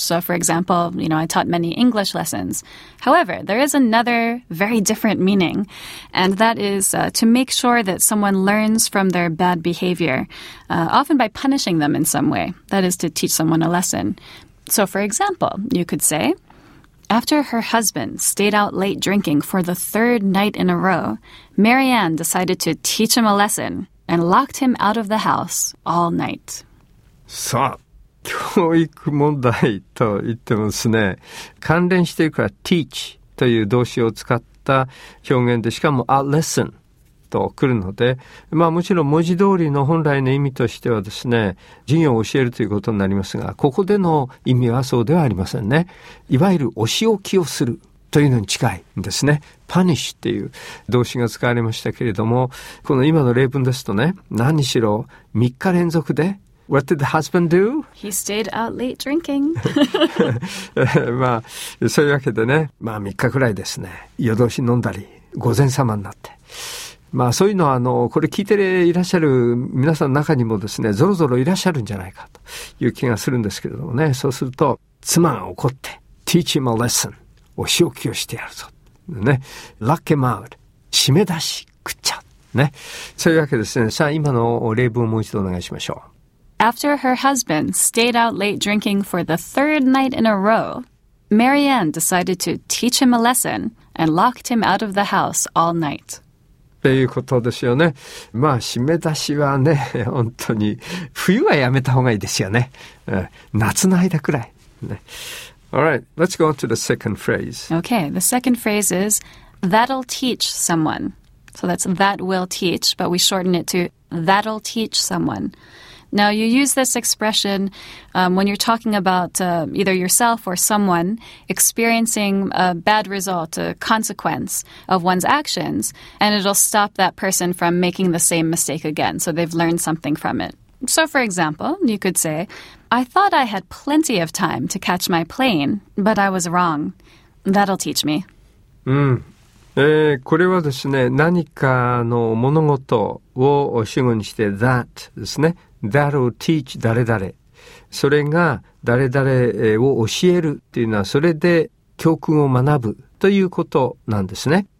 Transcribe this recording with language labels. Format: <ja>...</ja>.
<en>So, for example, you know, I taught many English lessons. However, there is another very different meaning, and that is to make sure that someone learns from their bad behavior, often by punishing them in some way. That is to teach someone a lesson. So, for example, you could say, after her husband stayed out late drinking for the third night in a row, Marianne decided to teach him a lesson and locked him out of the house all night.</en> <ja>さあ、教育問題と言ってますね。関連しているから teach という動詞を使った表現で、しかも a lesson と来るので、まあもちろん文字通りの本来の意味としてはですね、授業を教えるということになりますが、ここでの意味はそうではありませんね。いわゆるお仕置きをするというのに近いんですね。 punish っていう動詞が使われましたけれども、この今の例文ですとね、何しろ3日連続で、</ja> <en>What did the husband do? He stayed out late drinking.</en> <ja>まあ、そういうわけでね、まあ3日くらいですね、夜通し飲んだり、午前様になって。まあそういうのは、これ聞いていらっしゃる皆さんの中にもですね、ぞろぞろいらっしゃるんじゃないかという気がするんですけれどもね、そうすると、妻が怒って、</ja> <en>teach him a lesson。</en> <ja>お仕置きをしてやるぞ。ね。</ja> <en>Lock him out.</en> <ja>締め出し、食っちゃう。ね。そういうわけですね。さあ、今の例文をもう一度お願いしましょう。</ja> <en>After her husband stayed out late drinking for the third night in a row, Marianne decided to teach him a lesson and locked him out of the house all night.</en> <ja>ということですよね。まあ、締め出しはね、本当に、冬はやめた方がいいですよね。夏の間くらい。ね。</ja> <en>All right, let's go on to the second phrase. Okay, the second phrase is, that'll teach someone. So that's that will teach, but we shorten it to that'll teach someone. Now, you use this expression when you're talking about either yourself or someone experiencing a bad result, a consequence of one's actions, and it'll stop that person from making the same mistake again. So they've learned something from it. So, for example, you could say, I thought I had plenty of time to catch my plane, but I was wrong. That'll teach me.</en> <ja>これはですね、何かの物事を主語にして that ですね。</ja> <en>That'll teach 誰々。</en> <ja>それが誰々を教えるっていうのは、それで教訓を学ぶということなんですね。</ja>